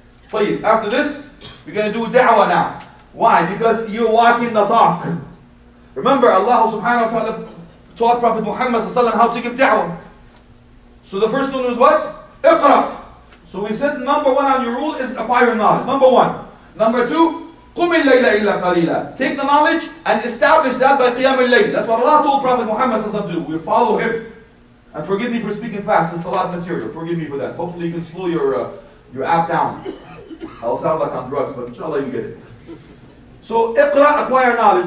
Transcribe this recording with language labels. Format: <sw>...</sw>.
<en>طيب, after this, we're going to do da'wah now. Why? Because you're walking the talk. Remember, Allah subhanahu wa ta'ala taught Prophet Muhammad sallallahu alayhi wa sallam how to give da'wah. So the first one was what?</en> <ar>اقرأ.</ar> <en>So we said number one on your rule is acquire knowledge. Number one. Number two,</en> <ar>قم الليل إلا قليلا.</ar> <en>Take the knowledge and establish that by قيام الليل. That's what Allah told Prophet Muhammad صلى الله عليه وسلم to do. We follow him. And forgive me for speaking fast. It's a lot of material. Forgive me for that. Hopefully you can slow your app down. I'll sound like I'm drugs, but inshallah you get it. So اقرأ, acquire knowledge.</en>